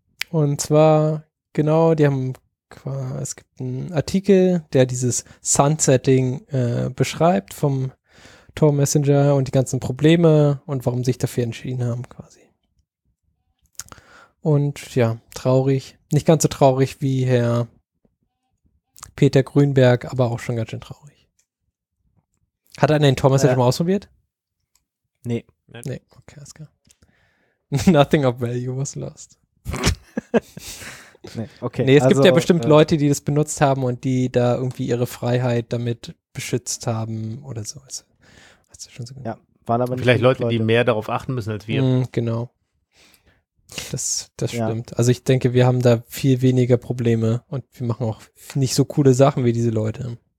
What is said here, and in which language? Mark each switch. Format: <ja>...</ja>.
<de>Und zwar, genau, die haben es gibt einen Artikel, der dieses Sunsetting beschreibt vom Tor-Messenger und die ganzen Probleme und warum sie sich dafür entschieden haben, quasi. Und ja, traurig. Nicht ganz so traurig wie Herr Peter Grünberg, aber auch schon ganz schön traurig. Hat er den Tor-Messenger schon mal ausprobiert? Nee. Okay, alles klar.</de> <en>Nothing of value was lost.</en> <de>Es gibt ja bestimmt Leute, die das benutzt haben und die da irgendwie ihre Freiheit damit beschützt haben oder so. Hast du schon so gesagt? Ja, waren aber nicht vielleicht Leute, die mehr darauf achten müssen als wir. Genau. Das stimmt. Also ich denke, wir haben da viel weniger Probleme und wir machen auch nicht so coole Sachen wie diese Leute.</de>